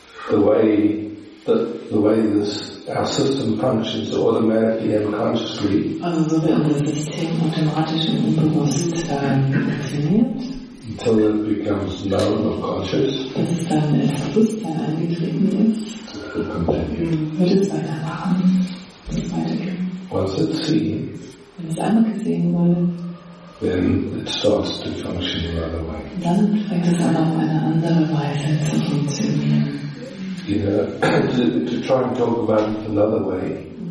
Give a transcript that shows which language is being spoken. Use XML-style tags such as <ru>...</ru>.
<en>The way this our system functions automatically and consciously.</en> <de>Also so wie unser System automatisch und unbewusst funktioniert.</de> <en>Until it becomes known or conscious.</en> <de>Bis es dann in das Bewusstsein eingetreten ist. Wird es weitermachen.</de> <en>Once it's seen.</en> <de>Wenn es einmal gesehen wurde.</de> <en>Then it starts to function in another way.</en> <de>Dann fängt es dann auf eine andere Weise zu funktionieren.</de> <en>You know, to try and talk about it another way.</en>